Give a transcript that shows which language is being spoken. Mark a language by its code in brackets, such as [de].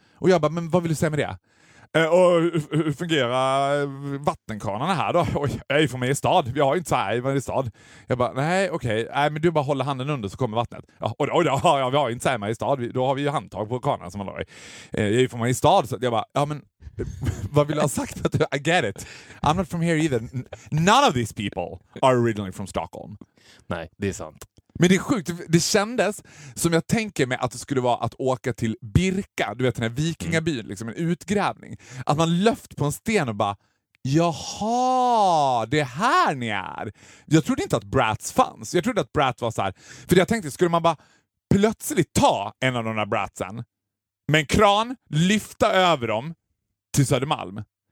[sv] Och jag bara, men vad vill du säga med det? Och hur fungerar vattenkranarna här då? Oj, jag är från mig i stad. Vi har ju inte så här, men i stad. Jag bara, nej, okej. Okay. Nej, men du bara håller handen under så kommer vattnet. Ja, oj, vi har ju inte så här i stad. Då har vi ju handtag på kranarna som man har. Jag är från mig i stad. Så jag bara, ja men, vad vill du ha sagt? [en] I get it. I'm not from here either. None of these people are originally from Stockholm. [sv] Nej, det är sant. Men det är sjukt, det kändes som jag tänker mig att det skulle vara att åka till Birka, du vet den här vikingabyn, liksom en utgrävning. Att man löft på en sten och bara, jaha, det är här ni är. Jag trodde inte att brats fanns, jag trodde att brat var så här. För jag tänkte, skulle man bara plötsligt ta en av de här bratsen med en kran, lyfta över dem till Södermalm.